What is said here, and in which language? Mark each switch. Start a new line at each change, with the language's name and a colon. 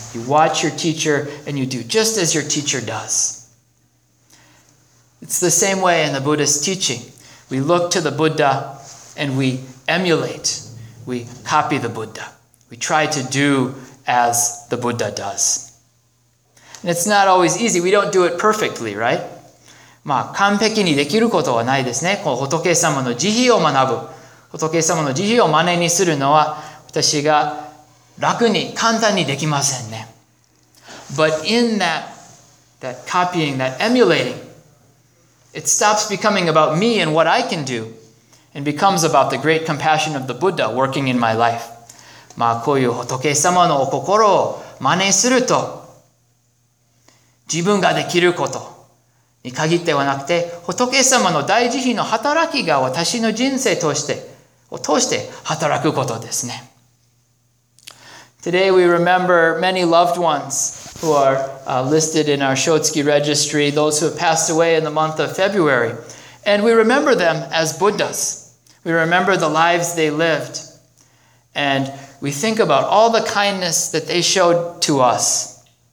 English: You watch your teacher and you do just as your teacher does. It's the same way in the Buddhist teaching. We look to the Buddha and we emulate. We copy the Buddha. We try to do as the Buddha does. And it's not always easy. We don't do it perfectly, right?
Japanese: まあ、完璧にできることはないですね。この仏様の慈悲を学ぶ。仏様の慈悲を真似にするのは私が楽に簡単にできませんね。
English: But in that copying, that emulating, it stops becoming about me and what I can do, and becomes about the great compassion of the Buddha working in my life.
Japanese: まあこういう仏様のお心を真似すると、自分ができることに限ってはなくて、仏様の大慈悲の働きが私の人生を通して働くことですね。
English: Today we remember many loved ones who are listed in our Shotsuki registry, those who have passed away in the month of February. And we remember them as Buddhas. We remember the lives they lived. And we think about all the kindness that they showed to us.